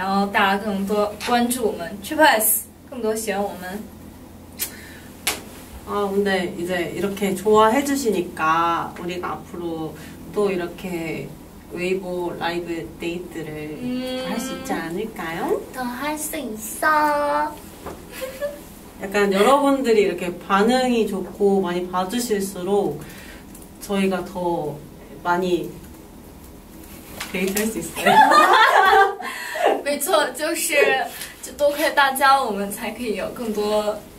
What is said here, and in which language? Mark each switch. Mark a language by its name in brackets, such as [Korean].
[Chinese] 我也是刚才得知第一次超过十万人观看我们的直播，就很开心，你们懂吗？就是，希望以后可以更多见面，然后大家更多关注我们 tripleS， 更多喜欢我们。 [Korean] 아 근데 이제 이렇게 좋아해 주시니까 우리가 앞으로 또 이렇게 웨이보 라이브 데이트를 할 수 있지 않을까요? 더 할 수 있어. 약간 여러분들이 이렇게 반응이 좋고 많이 봐주실수록 저희가 더 많이 데이트 할 수 있어요. [Chinese] 没错，就是就多亏大家，我们才可以有更多。